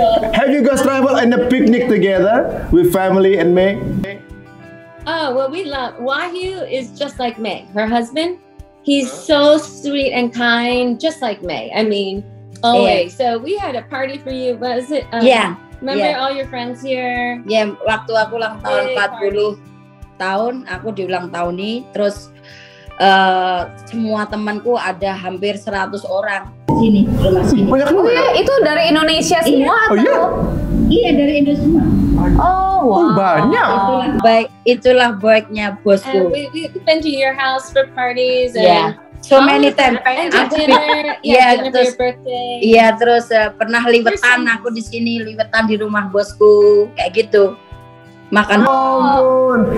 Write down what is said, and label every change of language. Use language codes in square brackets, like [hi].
[en] Have you guys traveled in a picnic together with family and May? Oh, well, we love Wahyu is just like May. Her husband, he's so sweet and kind, just like May. I mean, always. Yeah. So we had a party for you, was it? Yeah. Remember yeah. all your friends here? [id] Yeah, waktu aku ulang tahun 40 tahun, aku di ulang tahun ini, terus semua temanku ada hampir 100 orang sini, rumah sini. Oh iya, itu dari Indonesia semua iya. atau? Oh, iya? Iya, dari Indonesia semua. [en] Oh, wow. [id] Oh, banyak. Itulah baiknya bosku. [en] We've been to your house for parties and yeah. so many times. And dinner, yeah, dinner yeah, [id] terus, [en] for your birthday. [id] Iya, yeah, terus pernah liwetan aku di sini, liwetan di rumah bosku, kayak gitu. Makan oh,